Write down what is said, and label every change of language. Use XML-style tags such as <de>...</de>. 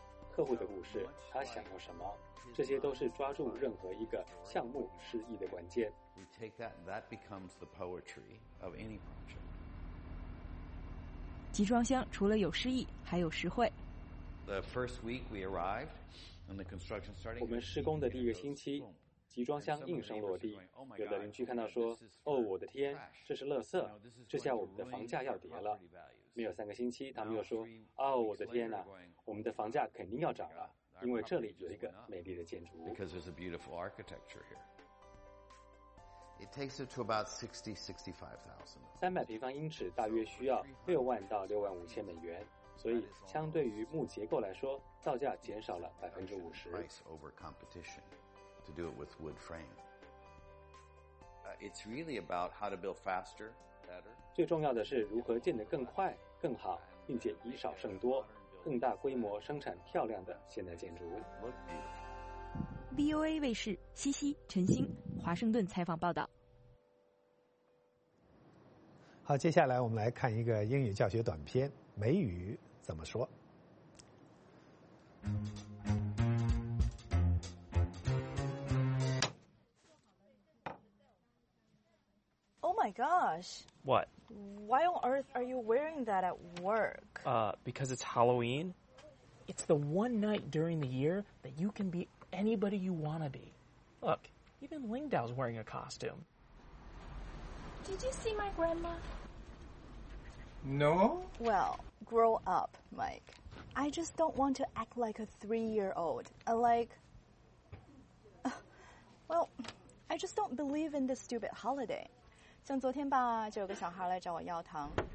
<zh>客户的故事，他想要什么，这些都是抓住任何一个项目诗意的关键。</zh> <en>We take that, that becomes the poetry of any project.</en> <zh>集装箱除了有诗意，还有实惠。</zh> <en>The first week we arrived, and the construction started.</en> <zh>我们施工的第一个星期，集装箱应声落地，有的邻居看到说：“哦，我的天，这是垃圾，这下我们的房价要跌了。”没有三个星期，他们又说：“哦，我的天哪，我们的房价肯定要涨了，因为这里有一个美丽的建筑。”</zh> <en>Because there's a beautiful architecture here. It takes it to about 60-65,000.</en> <zh>300平方英尺大约需要60,000-65,000美元，所以相对于木结构来说，造价减少了50%。</zh> <en>Price over competition. To do it with wood frame. It's really about how to build faster, better.</en> <zh>最重要的是如何建得更快、更好，并且以少胜多，更大规模生产漂亮的现代建筑。 VOA 卫视，西西、陈星，华盛顿采访报道。好，接下来我们来看一个英语教学短片，美语怎么说。</zh> <en>Oh my gosh. What? Why on earth are you wearing that at work? Because it's Halloween. It's the one night during the year that you can be anybody you want to be. Look, even Lingdao's wearing a costume. Did you see my grandma? No. Well, grow up, Mike. I just don't want to act like a 3-year-old. I just don't believe in this stupid holiday.</en> <zh>像昨天吧，就有个小孩来找我要糖。</zh>